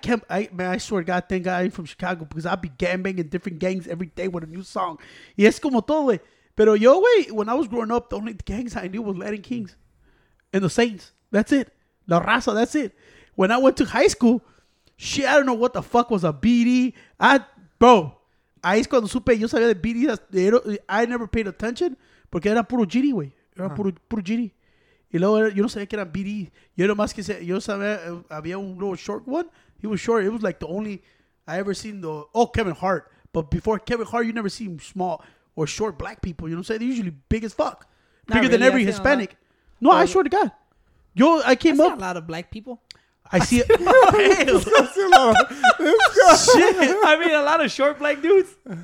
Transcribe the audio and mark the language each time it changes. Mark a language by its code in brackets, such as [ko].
[en] I swear to God, thank God I'm from Chicago because I'd be gangbanging different gangs every day with a new song. [es] Y es como todo, güey. Pero yo, güey, [en] when I was growing up, the only gangs I knew was Latin Kings and the Saints. That's it. La Raza, that's it. When I went to high school, shit, I don't know what the fuck was a BD. [es] Ahí es cuando supe, yo sabía de BD. [en] I never paid attention [es] porque era puro GD, güey. Era puro GD. Y luego, yo no sabía que era BD. Yo no más que sé, yo sabía, había un [en] little short one. He was short. It was like the only I ever seen Kevin Hart. But before Kevin Hart, you never seen small or short black people. You know what I'm saying? They're usually big as fuck. Not bigger really, than every Hispanic. No, I swear to God. I came up. A lot of black people. I see it. Shit. I mean, a lot of short black dudes.